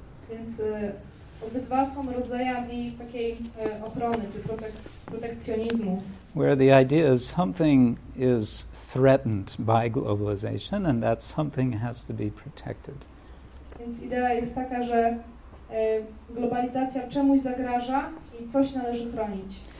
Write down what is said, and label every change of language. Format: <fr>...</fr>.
<pl>Więc obydwa są rodzajami takiej ochrony, czy protekcjonizmu.</pl> <en>Where the idea is something is threatened by globalization and that something has to be protected.</en> <pl>Więc idea jest taka, że globalizacja czemuś zagraża i coś należy chronić.</pl>